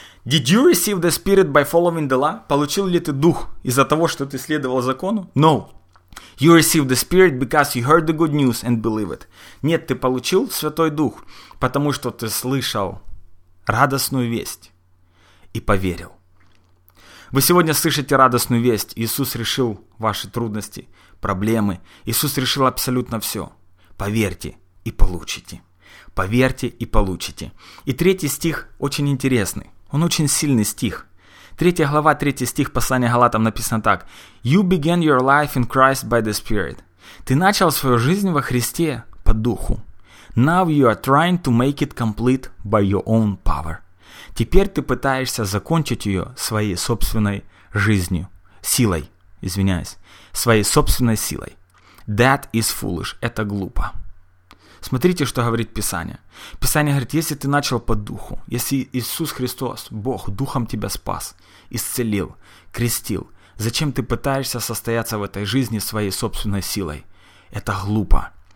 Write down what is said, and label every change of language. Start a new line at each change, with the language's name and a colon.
English: Did you receive the Spirit by following the law?
Russian: Получил ли ты дух из-за того, что ты следовал закону?
English: No. You received the Spirit because you heard the good news and believe it.
Russian: Нет, ты получил Святой Дух, потому что ты слышал радостную весть и поверил. Вы сегодня слышите радостную весть. Иисус решил ваши трудности, проблемы. Иисус решил абсолютно все. Поверьте и получите. Поверьте и получите. И третий стих очень интересный. Он очень сильный стих. 3 глава, 3 стих послания Галатам написано так.
English: You began your life in Christ by the Spirit.
Russian: Ты начал свою жизнь во Христе по духу.
English: Now you are trying to make it complete by your own power.
Russian: Теперь ты пытаешься закончить ее своей собственной жизнью. Силой, извиняюсь. Своей собственной силой.
English: That is foolish.
Russian: Это глупо. Смотрите, что говорит Писание. Писание говорит, если ты начал по духу, если Иисус Христос, Бог, духом тебя спас, исцелил, крестил, зачем ты пытаешься состояться в этой жизни своей собственной силой? Это глупо.